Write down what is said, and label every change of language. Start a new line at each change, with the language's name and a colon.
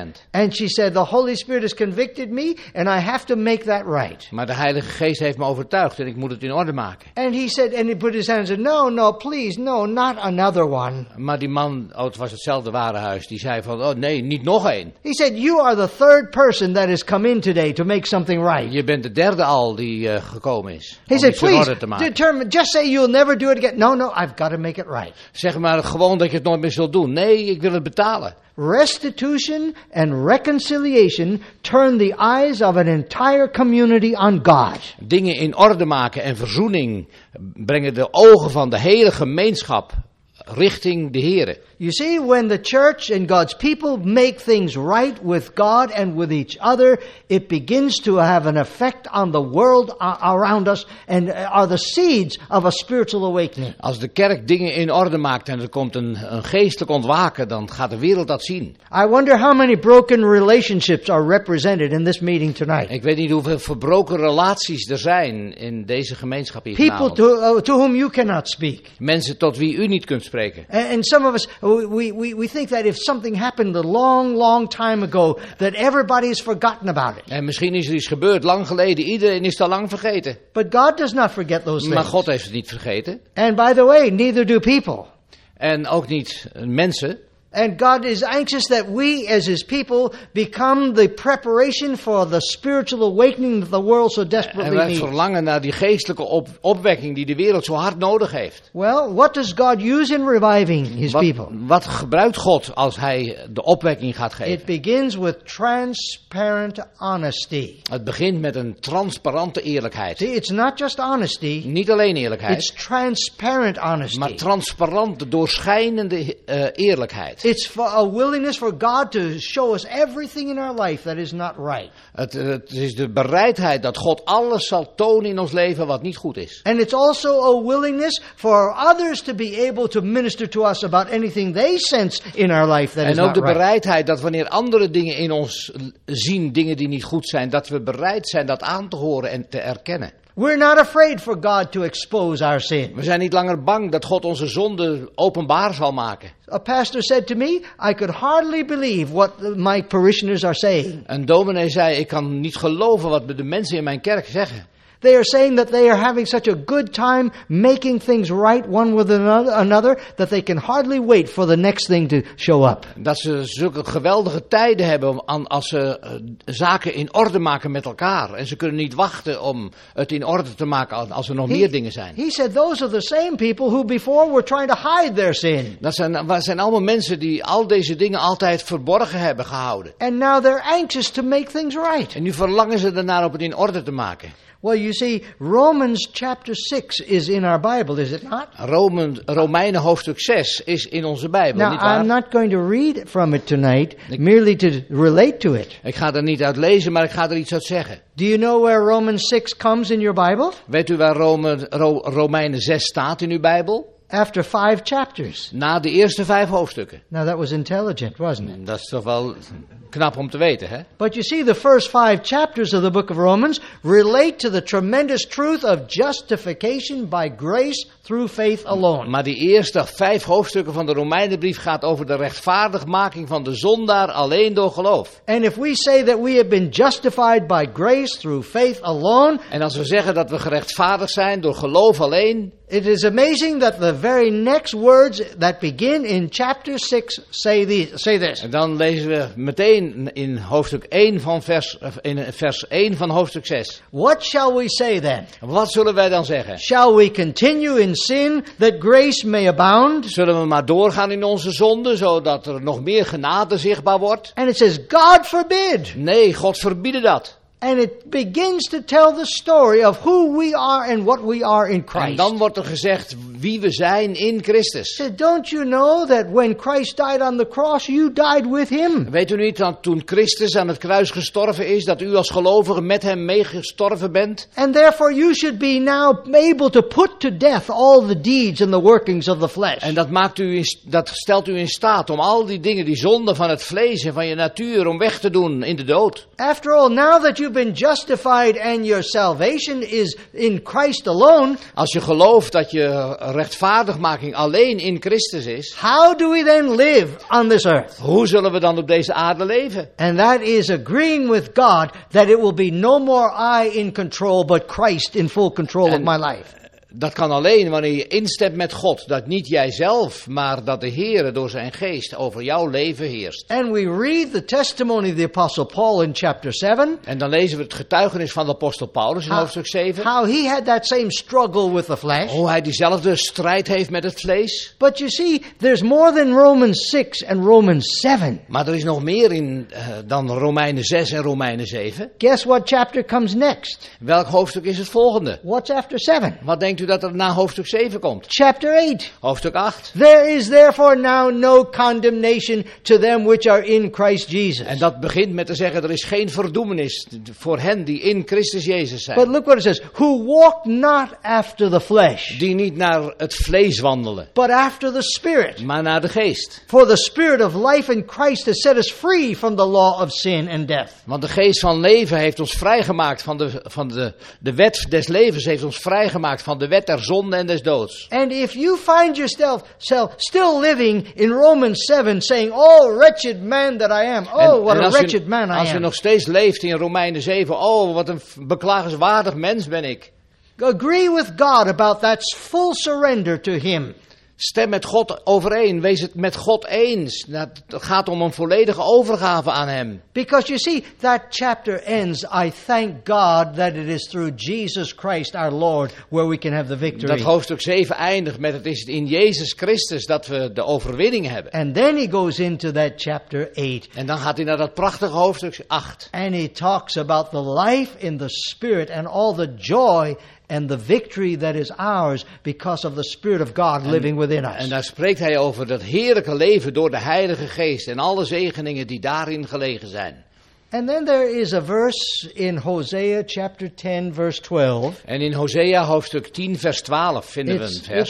English: And she said, the Holy Spirit has convicted me and I have to make that right.
Dutch: Maar de Heilige Geest heeft me overtuigd en ik moet het in orde maken.
English: And he said, and he put his hands and said, no, no, please, no, not another one.
Dutch: Maar die man, oh, het was hetzelfde warenhuis, die zei van, oh nee, niet nog één.
English: He said, you are the third person that has come in today to make something right.
Dutch: Je bent de derde al die gekomen is.
English: He said, please, determine, just say you'll never do it again. No, no, I've got to make it right.
Dutch: Zeg maar gewoon dat je het nooit meer zult doen. Nee, ik wil het betalen.
English: Restitution and reconciliation turn the eyes of an entire community on God.
Dutch: Dingen in orde maken en verzoening brengen de ogen van de hele gemeenschap richting de Here.
English: You see, when the church and God's people make things right with God and with each other, it begins to have an effect on the world around us and are the seeds of a spiritual awakening.
Dutch: Als de kerk dingen in orde maakt en er komt een geestelijk ontwaken, dan gaat de wereld dat zien.
English: I wonder how many broken relationships are represented in this meeting tonight.
Dutch: Ik weet niet hoeveel verbroken relaties er zijn in deze gemeenschap hier.
English: People to whom you cannot speak.
Dutch: Mensen tot wie u niet kunt spreken.
English: And some of us, We think that if something happened a long, long time ago, that everybody has forgotten about it.
Dutch: En misschien is er iets gebeurd lang geleden. Iedereen is al lang vergeten.
English: But God does not forget those things.
Dutch: Maar God heeft het niet vergeten.
English: And by the way, neither do people.
Dutch: En ook niet mensen.
English: And God is anxious that we, as His people, become the preparation for the spiritual awakening that the world so desperately needs.
Dutch: En wij verlangen naar die geestelijke opwekking die de wereld zo hard nodig heeft.
English: Well, what does God use in reviving His people?
Dutch: Wat gebruikt God als Hij de opwekking gaat geven?
English: It begins with transparent honesty.
Dutch: Het begint met een transparante eerlijkheid.
English: See, it's not just honesty.
Dutch: Niet alleen eerlijkheid.
English: It's transparent honesty.
Dutch: Maar transparante, doorschijnende eerlijkheid.
English: It's for a willingness for God to show us everything in our life that is not right.
Dutch: Het is de bereidheid dat God alles zal tonen in ons leven wat niet goed is.
English: And it's also a willingness for others to be able to minister to us about anything they sense in our life that is not right.
Dutch: En ook de bereidheid dat wanneer andere dingen in ons zien, dingen die niet goed zijn, dat we bereid zijn dat aan te horen en te erkennen.
English: We're not afraid for God to expose our sin.
Dutch: We zijn niet langer bang dat God onze zonde openbaar zal maken.
English: A pastor said to me, I could hardly believe what my parishioners are saying.
Dutch: Een dominee zei, ik kan niet geloven wat de mensen in mijn kerk zeggen.
English: They are saying that they are having such a good time making things right one with another that they can hardly wait for the next thing to show up.
Dutch: Dat ze zulke geweldige tijden hebben als ze zaken in orde maken met elkaar. En ze kunnen niet wachten om het in orde te maken als er nog meer dingen zijn.
English: He said those are the same people who before were trying to hide their sin.
Dutch: Dat zijn allemaal mensen die al deze dingen altijd verborgen hebben gehouden.
English: And now they're anxious to make things right.
Dutch: En nu verlangen ze ernaar om het in orde te maken.
English: Well, you see, Romans chapter 6 is in our Bible, is it not?
Dutch: Romeinen hoofdstuk 6 is in onze Bijbel,
English: now,
Dutch: niet waar?
English: I'm not going to read from it tonight, merely to relate to it.
Dutch: Ik ga er niet uit lezen, maar ik ga er iets uit zeggen.
English: Do you know where Romans 6 comes in your Bible?
Dutch: Weet u waar Romeinen 6 staat in uw Bijbel?
English: After 5 chapters.
Dutch: Na de eerste 5 hoofdstukken.
English: Now that was intelligent, wasn't it?
Dutch: Dat is toch wel knap om te weten, hè?
English: But you see, the first 5 chapters of the book of Romans relate to the tremendous truth of justification by grace through faith alone.
Dutch: Maar die eerste 5 hoofdstukken van de Romeinenbrief gaat over de rechtvaardigmaking van de zondaar alleen door geloof.
English: And if we say that we have been justified by grace through faith alone.
Dutch: En als we zeggen dat we gerechtvaardigd zijn door geloof alleen.
English: It is amazing that the very next words that begin in chapter 6 say this.
Dutch: En dan lezen we meteen in hoofdstuk 1 van vers 1 van hoofdstuk 6.
English: What shall we say then?
Dutch: Wat zullen wij dan zeggen?
English: Shall we continue in sin that grace may abound?
Dutch: Zullen we maar doorgaan in onze zonde zodat er nog meer genade zichtbaar wordt?
English: And it says God forbid.
Dutch: Nee, God verbiede dat.
English: And it begins to tell the story of who we are and what we are in Christ.
Dutch: En dan wordt er gezegd wie we zijn in Christus.
English: Don't you know that when Christ died on the cross, you died with him?
Dutch: Weet u niet dat toen Christus aan het kruis gestorven is, dat u als gelovige met hem meegestorven bent?
English: And therefore you should be now able to put to death all the deeds and the workings of the flesh.
Dutch: En dat stelt u in staat om al die dingen, die zonden van het vlees en van je natuur, om weg te doen in de dood.
English: After all, now that you've been justified and your salvation is in Christ alone.
Dutch: Als je gelooft dat je rechtvaardigmaking alleen in Christus is.
English: How do we then live on this earth?
Dutch: Hoe zullen we dan op deze aarde leven?
English: And that is agreeing with God that it will be no more I in control, but Christ in full control of my life.
Dutch: Dat kan alleen wanneer je instemt met God, dat niet jijzelf, maar dat de Heere door zijn geest over jouw leven heerst.
English: And we read the testimony of the Apostle Paul in chapter 7.
Dutch: En dan lezen we het getuigenis van de apostel Paulus in hoofdstuk 7.
English: How he had that same struggle with the flesh.
Dutch: Hoe hij diezelfde strijd heeft met het vlees.
English: But you see, there's more than Romans 6 and Romans 7.
Dutch: Maar er is nog meer in dan Romeinen 6 en Romeinen 7.
English: Guess what chapter comes next?
Dutch: Welk hoofdstuk is het volgende?
English: What's after 7?
Dutch: Wat denkt u dat er na hoofdstuk 7 komt?
English: Chapter 8.
Dutch: Hoofdstuk 8.
English: There is therefore now no condemnation to them which are in Christ Jesus.
Dutch: En dat begint met te zeggen, er is geen verdoemenis voor hen die in Christus Jezus zijn.
English: But look what it says. Who walk not after the flesh.
Dutch: Die niet naar het vlees wandelen.
English: But after the Spirit.
Dutch: Maar naar de geest.
English: For the Spirit of life in Christ has set us free from the law of sin and death.
Dutch: Want de geest van leven heeft ons vrijgemaakt van de wet des levens heeft ons vrijgemaakt van de wet der zonde en des doods.
English: And if you find yourself still living in Romans 7 saying, oh wretched man that I am. Oh, what a wretched man I am.
Dutch: Als je nog steeds leeft in Romeinen 7, oh wat een beklagenswaardig mens ben ik.
English: Agree with God about that full surrender to him.
Dutch: Stem met God overeen. Wees het met God eens. Het gaat om een volledige overgave aan hem.
English: Because you see, that chapter ends. I thank God that it is through Jesus Christ our Lord where we can have the victory.
Dutch: Dat hoofdstuk 7 eindigt met het is in Jezus Christus dat we de overwinning hebben.
English: And then he goes into that chapter 8.
Dutch: En dan gaat hij naar dat prachtige hoofdstuk 8.
English: And he talks about the life in the Spirit and all the joy and the victory that is ours because of the Spirit of God living within us.
Dutch: En daar spreekt hij over dat heerlijke leven door de Heilige Geest en alle zegeningen die daarin gelegen zijn.
English: And then there is a verse in Hosea chapter 10 verse 12.
Dutch: En in Hosea hoofdstuk 10 vers 12 vinden we een vers.